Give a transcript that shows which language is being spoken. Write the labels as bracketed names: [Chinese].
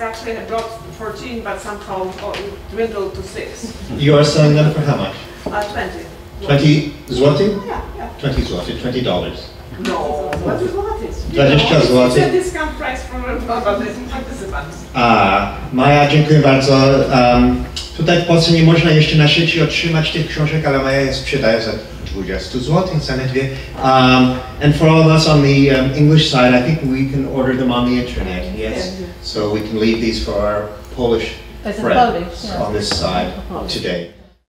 [English] Actually, I brought 14, but somehow dwindled to 6. You are selling them for how much? 20. 20 zloty? Yeah, yeah. 20 zloty, $20. No, what is it? It's a discount price from participants. [Polish] Maja, dziękuję bardzo. Tutaj w Polsce nie można jeszcze na sieci otrzymać tych książek, ale Maja je sprzedaje za 20 zł, zaledwie. [English] And for all of us on the English side, I think we can order them on the internet, yes? So we can leave these for our Polish friends on this side today.